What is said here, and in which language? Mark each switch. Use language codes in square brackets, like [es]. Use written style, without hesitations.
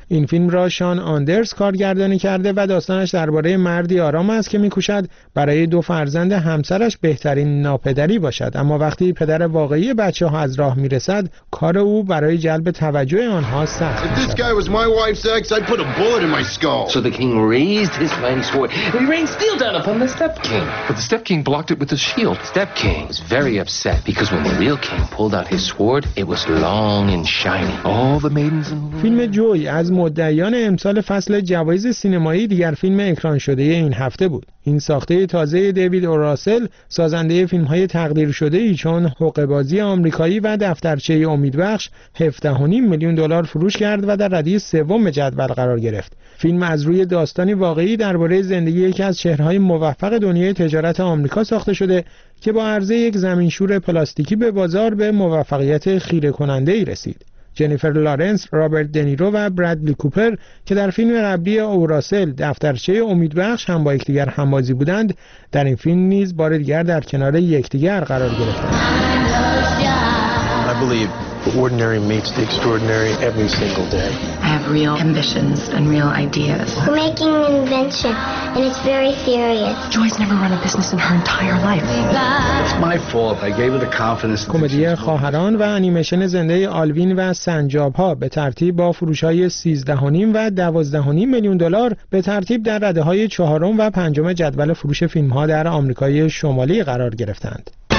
[fa] این فیلم را شان آندرس کارگردانی کرده و داستانش درباره مردی آرام است که می‌کوشد برای 2 فرزند همسرش بهترین ناپدری باشد، اما وقتی پدر واقعی بچه ها از راه میرسد کار او برای جلب توجه آنها سخت میشد. [en] So the king raised his mighty sword. He rained steel down upon the step king. But the step king blocked it with his shield. Step king was very upset because when the real king pulled out his sword, it was long and shiny. All the maidens and [fa] فیلم جوی از مدعیان امسال فصل جوایز سینمایی دیگر فیلم اکران شده این هفته بود. این ساخته تازه دیوید اوراسل سازنده فیلم‌های تقدیر شده ای چون حقه‌بازی آمریکایی و دفترچه امیدبخش 17.5 میلیون دلار فروش کرد و در رده سوم جدول قرار گرفت. فیلم از روی داستانی واقعی درباره زندگی یکی از چهره‌های موفق دنیای تجارت آمریکا ساخته شده که با عرضه یک زمین‌شور پلاستیکی به بازار به موفقیت خیره‌کننده ای رسید. جنیفر لارنس، رابرت دنیرو و برادلی کوپر که در فیلم قبلی اوراسل دفترچه امیدبخش هم با یکدیگر همبازی بودند، در این فیلم نیز بار دیگر در کنار یکدیگر قرار گرفتند. [en] Ordinary meets the extraordinary every single day. I have real ambitions and real ideas. We're making an invention, and it's very serious. Joy's never run a business in her entire life. It's my fault. I gave her the confidence. [fa] کمدی خواهران و انیمیشن زنده آلوین و سنجاب ها به ترتیب با فروش های 13.5 و 12.5 میلیون دلار به ترتیب در رده های 4 و 5 جدول فروش فیلم ها در آمریکای شمالی قرار گرفتند.